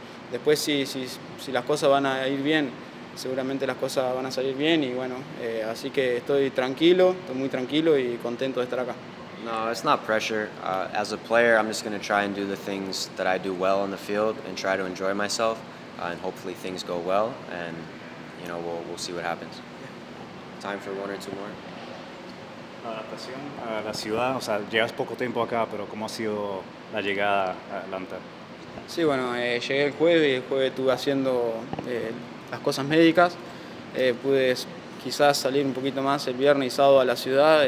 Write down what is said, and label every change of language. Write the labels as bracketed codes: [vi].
[es] Después si las cosas van a ir bien, seguramente las cosas van a salir bien. Y bueno, así que estoy muy tranquilo y contento de estar acá. [en] No, it's not pressure. As a player, I'm just going to try and do the things that I do well on the field and try to enjoy myself. And hopefully things go well, and you know, we'll see what happens. Time for one or two more. [es] Adaptación a la ciudad, o sea, llevas poco tiempo acá, pero ¿cómo ha sido la llegada a Atlanta? Sí, bueno, llegué el jueves y el jueves estuve haciendo las cosas médicas. Pude quizás salir un poquito más el viernes y sábado a la ciudad.